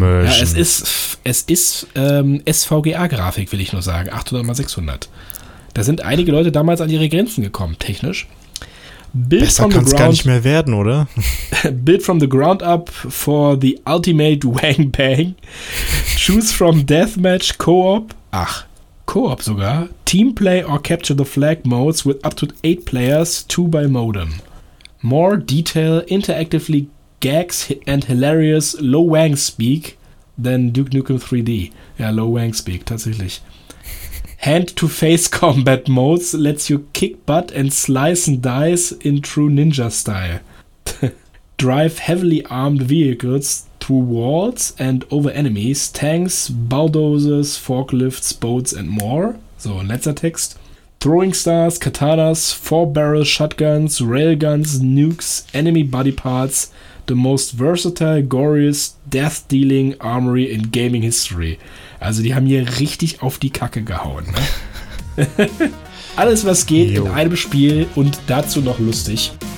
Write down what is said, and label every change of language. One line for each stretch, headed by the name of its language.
German: Ja, es ist SVGA-Grafik, will ich nur sagen. 800 mal 600. Da sind einige Leute damals an ihre Grenzen gekommen, technisch. Build besser kann es gar nicht mehr werden, oder?
English: Build from the ground up for the ultimate Wang Bang. Choose from Deathmatch, Co-op.
German: Ach, Co-op sogar.
English: Teamplay or capture the flag modes with up to 8 players, 2 by modem. More detail, interactively gags and hilarious Lo Wang speak than Duke Nukem 3D.
German: Ja, Lo Wang speak, tatsächlich.
English: Hand-to-face combat modes lets you kick butt and slice and dice in true ninja style. Drive heavily armed vehicles through walls and over enemies, tanks, bulldozers, forklifts, boats and more.
German: So, letzter Text.
English: Throwing stars, katanas, 4-barrel shotguns, railguns, nukes, enemy body parts, the most versatile, glorious, death-dealing armory in gaming history.
German: Also, die haben hier richtig auf die Kacke gehauen. Alles, was geht, in einem Spiel und dazu noch lustig.